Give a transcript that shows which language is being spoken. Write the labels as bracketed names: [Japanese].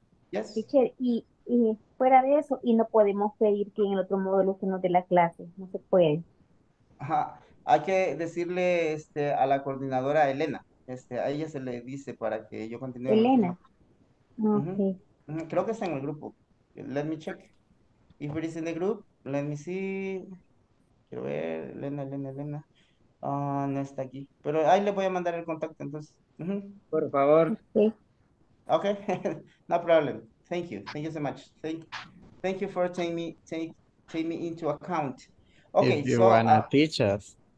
[English] Yes. [Spanish] Teacher, y fuera de eso, y no podemos pedir que en el otro módulo que nos dé la clase, no se puede. Ajá. Hay que decirle a la coordinadora Elena, a ella se le dice para que yo continúe. Elena. Okay. Uh-huh. Creo que está en el grupo. [English] Let me check. If it is in the group, let me see. [Spanish] Quiero ver, Elena. No está aquí. Pero ahí le voy a mandar el contacto entonces. Uh-huh. Por favor. [English] Ok, no problem. Thank you so much. Thank you for taking me into account. Okay, if you wanna teach us.